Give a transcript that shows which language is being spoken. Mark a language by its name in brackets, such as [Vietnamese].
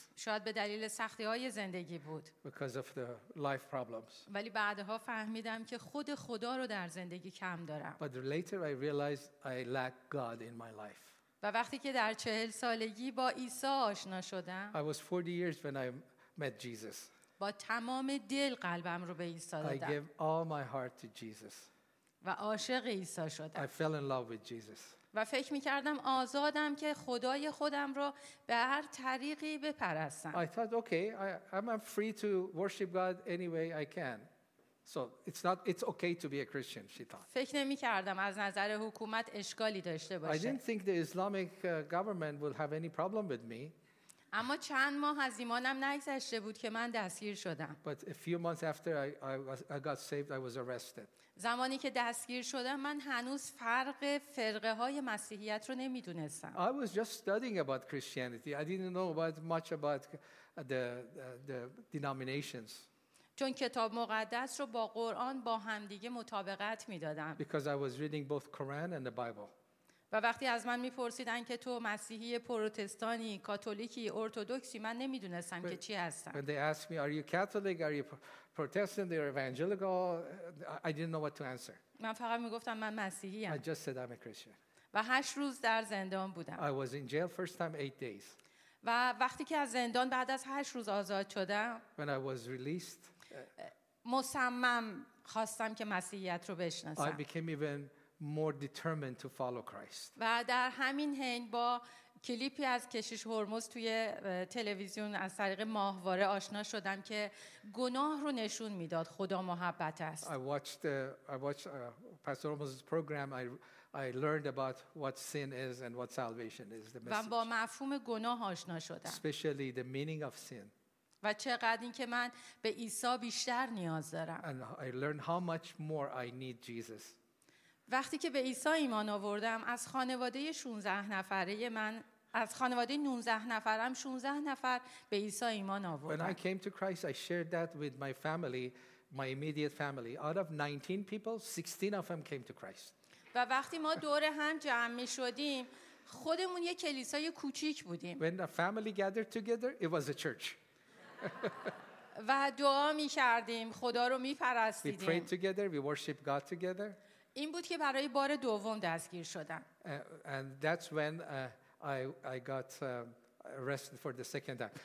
[Persian] شاید به دلیل سختی‌های زندگی بود. [English] Because of the life problems. [Persian] ولی بعدها فهمیدم که خود خدا رو در زندگی کم دارم. [English] But later I realized I lack God in my life. [Persian] و وقتی که در 40 سالگی با عیسی آشنا شدم. [English] I was 40 years when I met Jesus. [Persian] با تمام دل قلبم رو به عیسی دادم. [English] I gave all my heart to Jesus. [Persian] و عاشق عیسی شدم. [English] I fell in love with Jesus. [Persian] و فکر می‌کردم آزادم که خدای خودم رو به هر طریقی بپرستم. [English] I thought okay, I'm free to worship God any way I can. So it's okay to be a Christian, she thought. [Persian] فکر نمی‌کردم از نظر حکومت اشکالی داشته باشه. [English] I didn't think the Islamic government will have any problem with me. [Persian] اما چند ماه از ایمانم نگذشته بود که من دستگیر شدم. [English] But a few months after I got saved, I was arrested. [Persian] زمانی که دستگیر شدم من هنوز فرق فرقه های مسیحیت رو نمیدونستم. [English] I was just studying about Christianity. I didn't know much about the denominations. [Persian] چون کتاب مقدس رو با قرآن با همدیگه مطابقت میدادم. [English] Because I was reading both Quran and the Bible. [Persian] و وقتی از من میپرسیدن که تو مسیحی پروتستانی کاتولیکی ارتدوکسی من نمیدونستم که چی هستم. [English] When they asked me, are you Catholic, are you Protestant, are you evangelical, I didn't know what to answer. [Persian] من فقط میگفتم من مسیحیم. [English] I just said I'm a Christian. [Persian] و 8 روز در زندان بودم. [English] I was in jail first time 8 days. [Persian] و وقتی که از زندان بعد از 8 روز آزاد شدم. [English] When I was released. [Persian] مصمم خواستم که مسیحیت رو بشناسم. [English] I became even more determined to follow Christ. [Persian] و در همین حین با کلیپی از کشیش هرمز توی تلویزیون از طریق ماهواره آشنا شدم که گناه رو نشون میداد خدا محبت است. [English] I watched Pastor Hormuz's program. I learned about what sin is and what salvation is. The [Persian] message. با مفهوم گناه آشنا شدم. [English] Especially the meaning of sin. [Persian] و چقدر این که من به عیسی بیشتر نیاز دارم. [English] And I learned how much more I need Jesus. [Persian] وقتی که به عیسی ایمان آوردم از خانواده 16 نفره من از خانواده 19 نفرم 16 نفر به عیسی ایمان آوردم. [English] When I came to Christ I shared that with my family, my immediate family. Out of 19 people, 16 of them came to Christ. [Persian] و وقتی ما دور هم جمع می شدیم خودمون یک کلیسای کوچیک بودیم. [English] When the family gathered together, it was a church. [Persian] و دعا می کردیم، خدا رو می پرستیدیم. [English] We prayed together, we worship God together. [Persian] این بود که برای بار دوم دستگیر شدم. [English] And that's when I got arrested for the second time.